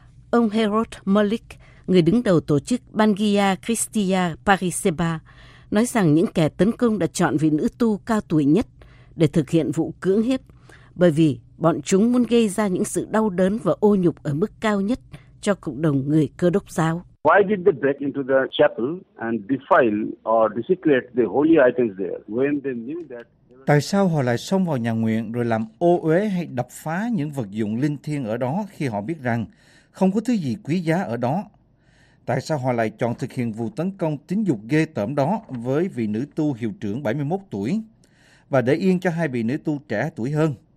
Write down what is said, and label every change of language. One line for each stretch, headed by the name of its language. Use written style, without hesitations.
Vietnamese: Ông Harold Malik, người đứng đầu tổ chức Bangiya Christia Pariseba, nói rằng những kẻ tấn công đã chọn vị nữ tu cao tuổi nhất để thực hiện vụ cưỡng hiếp, bởi vì bọn chúng muốn gây ra những sự đau đớn và ô nhục ở mức cao nhất cho cộng đồng người Cơ Đốc giáo.
English: Why did they break into the chapel and defile or desecrate the holy items there when they knew that?
Vietnamese: Tại sao họ lại xông vào nhà nguyện rồi làm ô uế hay đập phá những vật dụng linh thiêng ở đó khi họ biết rằng không có thứ gì quý giá ở đó? Tại sao họ lại chọn thực hiện vụ tấn công tính dục ghê tởm đó với vị nữ tu hiệu trưởng 71 tuổi và để yên cho hai vị nữ tu trẻ tuổi hơn?